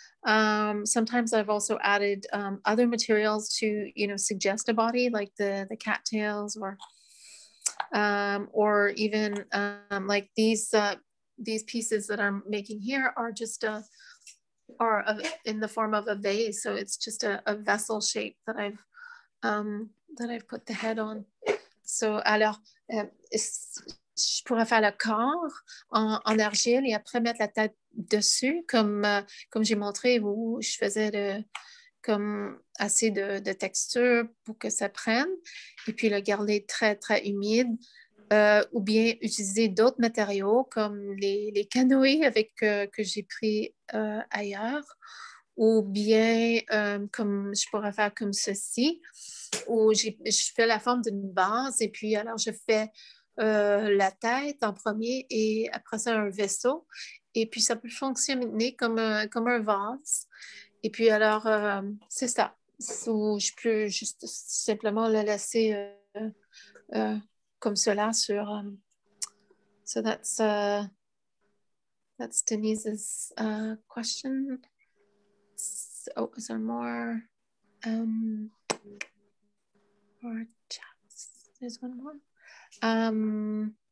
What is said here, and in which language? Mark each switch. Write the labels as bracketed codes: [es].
[en] Sometimes I've also added other materials to, suggest a body, like the cattails or even like these pieces that I'm making here are just in the form of a vase. So it's just a vessel shape that I've put the head on. So, [fr] alors, je pourrais faire le corps en argile et après mettre la tête dessus, comme j'ai montré où je faisais assez de texture pour que ça prenne, et puis le garder très, très humide, ou bien utiliser d'autres matériaux comme les canoës que j'ai pris ailleurs, ou bien comme je pourrais faire comme ceci, où je fais la forme d'une base et puis alors je fais la tête en premier et après ça un vaisseau, et puis ça peut fonctionner comme un vase, et puis alors c'est ça, ou je peux juste simplement le laisser comme cela sur [en] so that's Denise's question. Is there more or just, there's one more.